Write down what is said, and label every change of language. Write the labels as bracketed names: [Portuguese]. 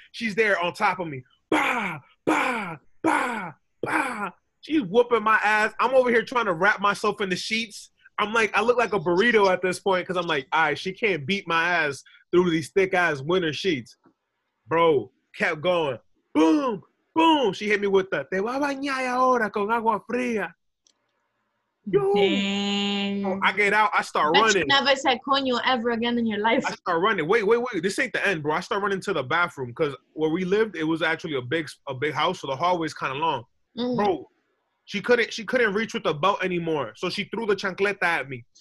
[English] She's there on top of me. Bah, bah, bah, bah. She's whooping my ass. I'm over here trying to wrap myself in the sheets. I'm like, I look like a burrito at this point because I'm like, all right, she can't beat my ass through these thick-ass winter sheets. Bro, kept going. Boom, boom. She hit me with the, [Spanish] te voy a bañar ahora con agua fría. [English] Yo. I get out. I start running. You never said coño ever again in your life. I start running. Wait. This ain't the end, bro. I start running to the bathroom because where we lived, it was actually a big house, so the hallway's kind of long. Mm-hmm. Bro. She couldn't reach with the belt anymore. So she threw the chancleta at me.